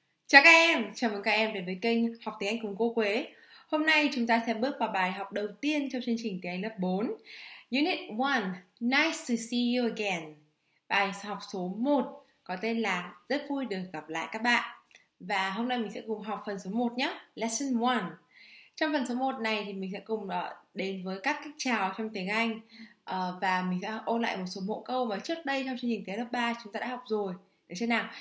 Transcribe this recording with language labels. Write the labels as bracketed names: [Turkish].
[Vietnamese] Chào các em, chào mừng các em đến với kênh Học tiếng Anh cùng cô Quế. Hôm nay chúng ta sẽ bước vào bài học đầu tiên trong chương trình tiếng Anh lớp 4. [English] Unit 1, Nice to see you again. [Vietnamese] Bài học số 1 có tên là Rất vui được gặp lại các bạn. Và hôm nay mình sẽ cùng học phần số 1 nhé, Lesson 1. Trong phần số 1 này thì mình sẽ cùng đến với các cách chào trong tiếng Anh. Và mình sẽ ôn lại một số mẫu câu mà trước đây trong chương trình tiếng lớp 3 chúng ta đã học rồi. Được chưa nào?